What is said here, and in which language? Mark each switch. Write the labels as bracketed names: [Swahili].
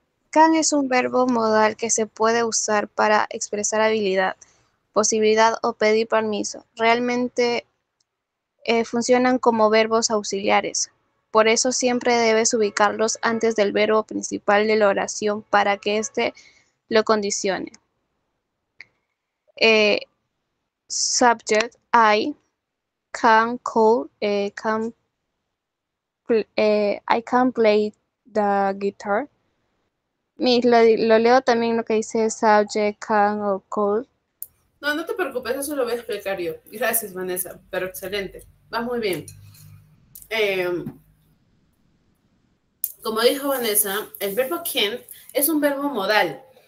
[Spanish] Can es un verbo modal que se puede usar para expresar habilidad, posibilidad o pedir permiso. Realmente funcionan como verbos auxiliares. Por eso siempre debes ubicarlos antes del verbo principal de la oración para que éste lo condicione. [English] Subject, I, can call, can, I can play the guitar. [Spanish] Lo leo también lo que dice [English] subject, can or call. [Spanish] No, no te preocupes, eso lo voy a explicar yo. Gracias, Vanessa, pero excelente. Va muy bien. Como dijo Vanessa, el verbo can't es un verbo modal.